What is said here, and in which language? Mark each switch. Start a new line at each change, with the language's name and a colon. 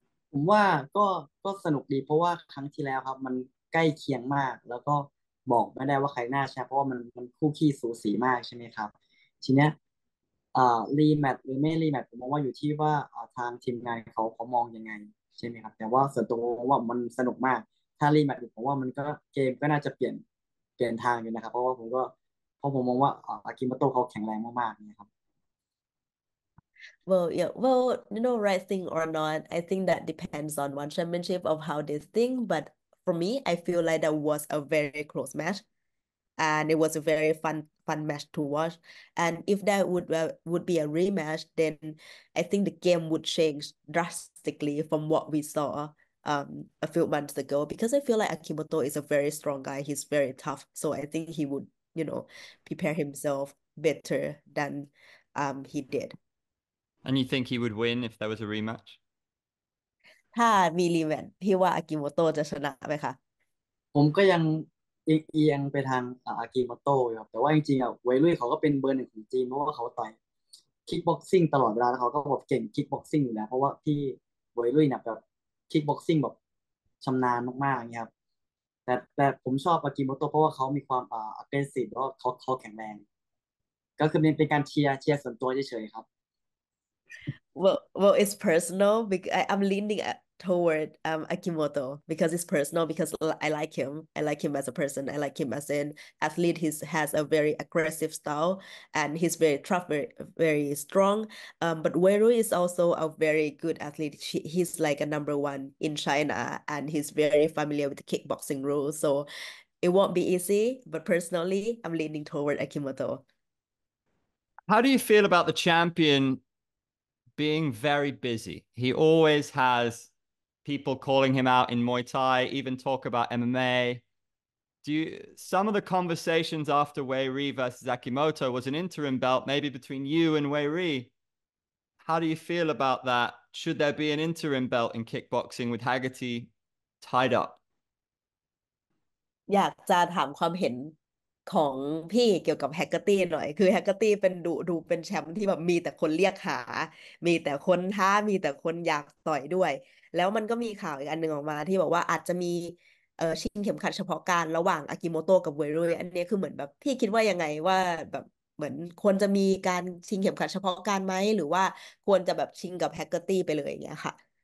Thai: ผมว่าก็สนุกดีเพราะว่าครั้งที่แล้วครับมันใกล้เคียงมากแล้วก็บอกไม่ได้ว่าใครหน้าแชมป์เพราะว่ามันคู่ขี้สูสีมากใช่ไหมครับทีเนี้ยรีแมตช์หรือไม่รีแมตช์ผมมองว่าอยู่ที่ว่าทางทีมงานเขามองยังไงใช่ไหมครับแต่ว่าส่วนตัวว่ามันสนุกมากถ้ารีแมตช์ผมว่ามันก็เกมก็น่าจะเปลี่ยนทางอยู่นะครับเพราะผมมองว่าอากิมาโตะเขาแข็งแรงมากๆนะครับ
English: Well, yeah. Well, you know, right thing or not, I think that depends on one championship of how they think. But for me, I feel like that was a very close match, and it was a very fun match to watch. And if that would be a rematch, then I think the game would change drastically from what we saw a few months ago. Because I feel like Akimoto is a very strong guy. He's very tough, so I think he would, you know, prepare himself better than he did. And you think he would win if there was a rematch?
Thai: ถ้ามีรีแมนพี่ว่าอากิโมโตะจะชนะไหมคะ ผมก็ยังเอียงไปทางอากิโมโต้ครับแต่ว่าจริงๆอ่ะเวลุ่ยเขาก็เป็นเบอร์หนึ่งของจีนเพราะว่าเขาต่อยคิกบ็อกซิ่งตลอดเวลาแล้วเขาก็แบบเก่งคิกบ็อกซิ่งอยู่แล้วเพราะว่าที่เวลุ่ยเนี่ยแบบคิกบ็อกซิ่งแบบชํานาญมากๆเงี้ยครับแต่ผมชอบอากิโมโต้เพราะว่าเขามีความอเกรสซีฟแล้วเขาแข็งแรงก็คือเป็นการเชียร์ส่วนตัวเฉยๆครับ
English: Well, it's personal because I'm leaning toward Akimoto because it's personal because I like him. I like him as a person. I like him as an athlete. He has a very aggressive style and he's very tough, very, very strong. But Weiru is also a very good athlete. He's like a number one in China and he's very familiar with the kickboxing rules. So it won't be easy. But personally, I'm leaning toward Akimoto. How do you feel about the champion being very busy? He always has people calling him out in Muay Thai, even talk about MMA. Some of the conversations after Weiri versus Akimoto was an interim belt, maybe between you and Weiri. How do you feel about that? Should there be an interim belt in kickboxing with Hagerty tied up?
Thai: อยากจะถามความเห็นของพี่เกี่ยวกับแฮกเกอร์ตี้หน่อยคือแฮกเกอร์ตี้เป็นดูเป็นแชมป์ที่แบบมีแต่คนเรียกหามีแต่คนท้ามีแต่คนอยากต่อยด้วยแล้วมันก็มีข่าวอีกอันหนึ่งออกมาที่บอกว่าอาจจะมีชิงเข็มขัดเฉพาะกาลระหว่างอากิโมโตะกับเวโร่อันนี้คือเหมือนแบบพี่คิดว่ายังไงว่าแบบเหมือนควรจะมีการชิงเข็มขัดเฉพาะกาลไหมหรือว่าควรจะแบบชิงกับแฮกเกอร์ตี้ไปเลยอย่างเงี้ยค่ะ